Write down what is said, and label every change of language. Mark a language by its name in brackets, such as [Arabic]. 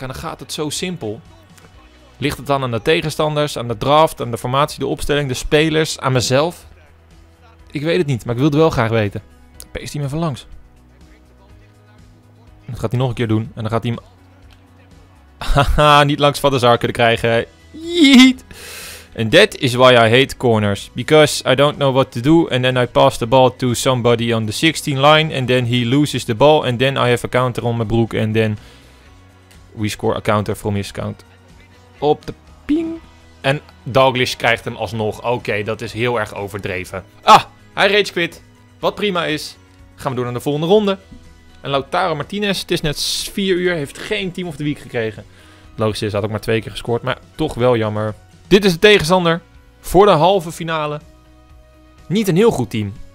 [Dutch] En dan gaat het zo simpel. Ligt het dan aan de tegenstanders, aan de draft, aan de formatie, de opstelling, de spelers, aan mezelf? Ik weet het niet, maar ik wil het wel graag weten. Peest hij me even langs. Dat gaat hij nog een keer doen. En dan gaat hij hem... Haha, niet langs Van der Sar kunnen krijgen. Jeet! [English] And that is why I hate corners. Because I don't know what to do. And then I pass the ball to somebody on the 16 line. And then he loses the ball. And then I have a counter on my broek. And then we score a counter from his count. [Dutch] Op de ping. En Dalglish krijgt hem alsnog. Oké, dat is heel erg overdreven. Ah, hij rage quit. Wat prima is. Gaan we door naar de volgende ronde. En Lautaro Martinez, het is net 4 uur, heeft geen team of the week gekregen. Logisch is, had ook maar 2 keer gescoord. Maar toch wel jammer. Dit is de tegenstander voor de halve finale. Niet een heel goed team.